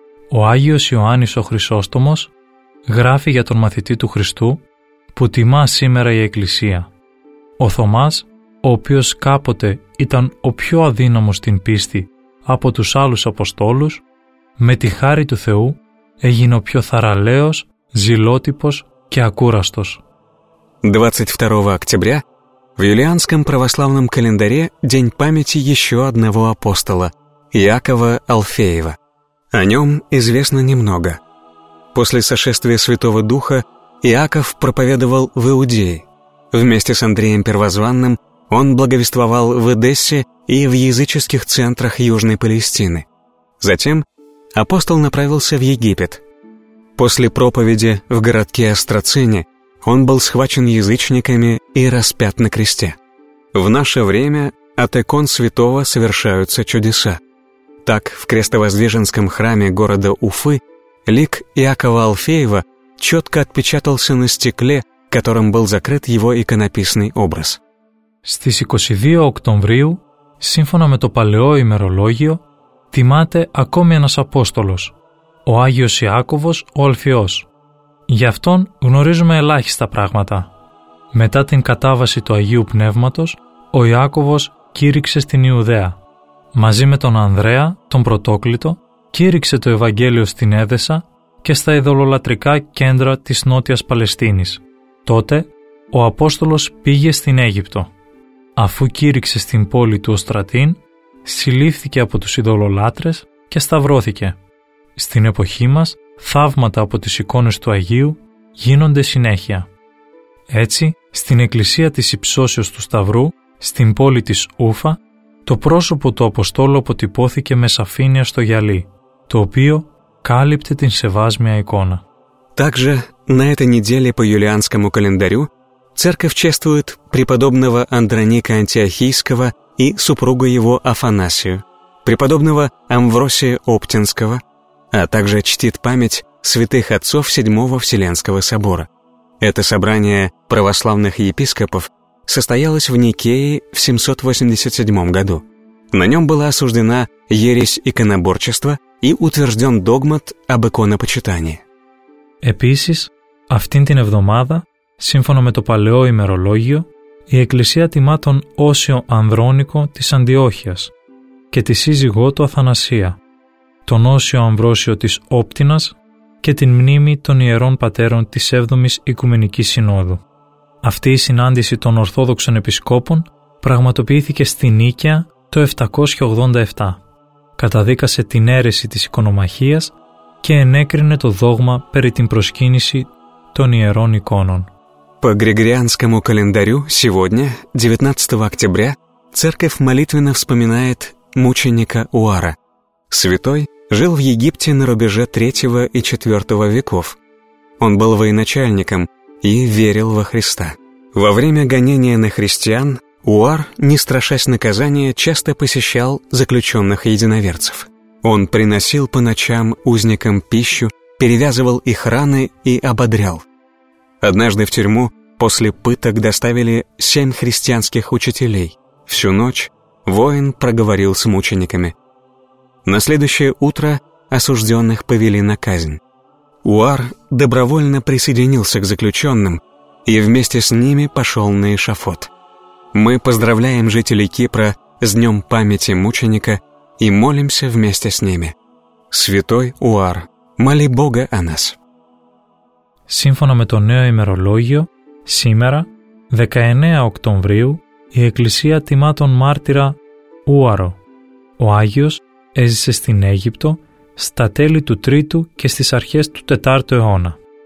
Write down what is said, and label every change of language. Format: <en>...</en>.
<el>Ο Άγιος Ιωάννης ο Χρυσόστομος γράφει για τον μαθητή του Χριστού που τιμά σήμερα η Εκκλησία. Ο Θωμάς, ο οποίος κάποτε ήταν ο πιο αδύναμος στην πίστη από τους άλλους Αποστόλους, με τη χάρη του Θεού έγινε ο πιο θαραλέος, зелотипос и акурастос.</el> <ru>22 октября в юлианском православном календаре день памяти еще одного апостола – Иакова Алфеева. О нем известно немного. После сошествия Святого Духа Иаков проповедовал в Иудее. Вместе с Андреем Первозванным он благовествовал в Эдессе и в языческих центрах Южной Палестины. Затем апостол направился в Египет. После проповеди в городке Астрацине он был схвачен язычниками и распят на кресте. В наше время от икон святого совершаются чудеса. Так, в крестовоздвиженском храме города Уфы лик Иакова Алфеева четко отпечатался на стекле, которым был закрыт его иконописный образ.</ru> <el>Στις 22 Οκτωβρίου, σύμφωνα με το παλαιό ημερολόγιο, τιμάται ακόμη ένας Απόστολος, ο Άγιος Ιάκωβος, ο Αλφαιός. Γι' αυτόν γνωρίζουμε ελάχιστα πράγματα. Μετά την κατάβαση του Αγίου Πνεύματος, ο Ιάκωβος κήρυξε στην Ιουδαία. Μαζί με τον Ανδρέα, τον Πρωτόκλητο, κήρυξε το Ευαγγέλιο στην Έδεσα και στα ειδωλολατρικά κέντρα της Νότιας Παλαιστίνης. Τότε, ο Απόστολος πήγε στην Αίγυπτο. Αφού κήρυξε στην πόλη του Οστρατίν, συλλήφθηκε από τους ειδωλολάτρες και σταυρώθηκε. Στην εποχή μας, θαύματα από τις εικόνες του Αγίου γίνονται συνέχεια. Έτσι, στην εκκλησία της Υψώσεως του Σταυρού, στην πόλη της Ούφα, το πρόσωπο του Αποστόλου αποτυπώθηκε με σαφήνεια στο γυαλί, το οποίο κάλυπτε την σεβάσμια εικόνα.</el> <ru>Также на этой неделе по юлианскому календарю церковь чествует преподобного Андроника Антиохийского и супругу его Афанасию, преподобного Амвросия Оптинского, а также чтит память святых отцов Седьмого Вселенского Собора. Это собрание православных епископов состоялось в Никее в 787 году. На нем была осуждена ересь иконоборчества и утвержден догмат об иконопочитании.</ru> <el>Επίσης, αυτήν την εβδομάδα, σύμφωνα με το παλαιό ημερολόγιο, η Εκκλησία τιμά τον Όσιο Ανδρόνικο της Αντιόχειας και τη σύζυγό του Αθανασία. τον Όσιο Αμβρόσιο της Όπτινας και την μνήμη των Ιερών Πατέρων της 7ης Οικουμενικής Συνόδου. Αυτή η συνάντηση των Ορθόδοξων Επισκόπων πραγματοποιήθηκε στη Νίκαια το 787. Καταδίκασε την αίρεση της οικονομαχίας και ενέκρινε το δόγμα περί την προσκύνηση των Ιερών Εικόνων.</el> <ru>По Григорианскому календарю сегодня, 19 октября, церковь молитвенно вспоминает мученика Уара. Святой жил в Египте на рубеже 3 и 4 веков. Он был военачальником и верил во Христа. Во время гонения на христиан Уар, не страшась наказания, часто посещал заключенных единоверцев. Он приносил по ночам узникам пищу, перевязывал их раны и ободрял. Однажды в тюрьму после пыток доставили 7 христианских учителей. Всю ночь воин проговорил с мучениками. На следующее утро осужденных повели на казнь. Уар добровольно присоединился к заключенным и вместе с ними пошел на эшафот. Мы поздравляем жителей Кипра с днем памяти мученика и молимся вместе с ними. Святой Уар, моли Бога о нас.</ru> <el>Σύμφωνα με το νέο ημερολόγιο, σήμερα, 19 Οκτωβρίου, η Εκκλησία τιμά τον μάρτυρα Ούαρο. Ο Άγιος έζησε στην Αίγυπτο, στα τέλη του 3ου και στις αρχές του 4ου αιώνα.</el>